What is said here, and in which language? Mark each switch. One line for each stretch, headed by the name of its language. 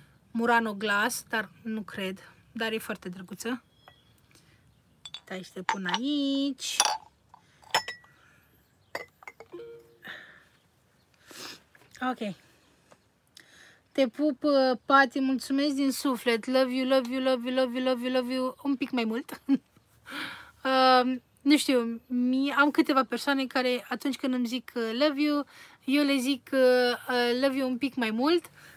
Romanian: Murano Glass, dar nu cred. Dar e foarte drăguță. Dai și te pun aici. Ok. Te pup, Pati, mulțumesc din suflet.
English: Love you, love you, love you, love you, love you, love you.
Romanian: Un pic mai mult. Nu știu, am câteva persoane care atunci când îmi zic
English: love you,
Romanian: eu le zic love you un pic mai mult.